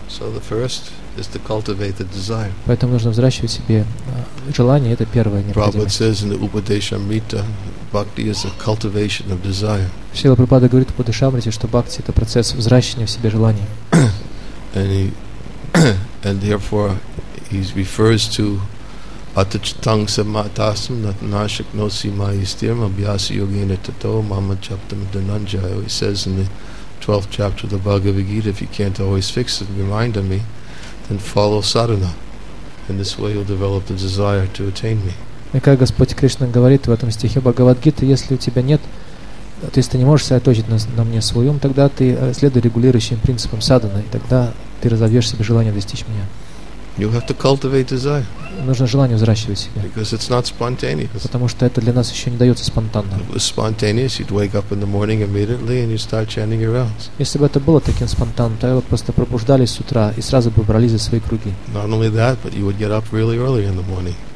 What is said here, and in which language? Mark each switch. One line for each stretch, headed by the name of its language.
English: So the first is to cultivate the desire.
Russian: Поэтому нужно взращивать себе желание, это первое необходимое.
English: Prabhupada says in the Upadeshamrita, bhakti is a cultivation of desire.
Russian: Шрила Прабхупада говорит в Упадешамрите, что бхакти это процесс взращивания в себе желания.
English: And therefore he refers to
Sanskrit: atachitang samatasam nat nashaknosi maistirma bhyasi yogena tato mama chaptam dananjaya.
English: He says in the 12th chapter of the Bhagavad Gita, if you can't always fix it, remind me, then follow sadhana. In this way you'll develop the desire to attain me.
Russian: И как Господь Кришна говорит в этом стихе Бхагавадгиты, если у тебя нет, то есть ты не можешь сосредоточить на мне свой ум, тогда ты следуй регулирующим принципам садхана, и тогда ты разовьешь себе желание достичь меня.
English: You have to cultivate desire.
Russian: Нужно желание взращивать в себе.
English: Because it's not spontaneous.
Russian: Потому что это для нас еще не дается спонтанно.
English: If it was spontaneous, you'd wake up in the morning immediately and you'd start chanting your rounds.
Russian: Если бы это было таким спонтанно, то вы просто пробуждались с утра и сразу бы брались за свои круги.
English: Not only that, but you would get up really early in the morning.